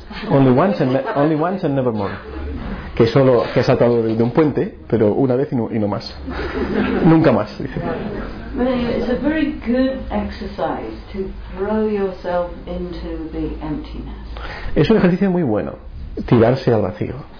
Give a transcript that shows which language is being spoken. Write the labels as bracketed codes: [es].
[en] Only once and never more. [es] Que solo que ha saltado de un puente, pero una vez y no más. Nunca más, dice. [en] It's a very good exercise to throw yourself into the emptiness. [es] Es un ejercicio muy bueno, tirarse al vacío.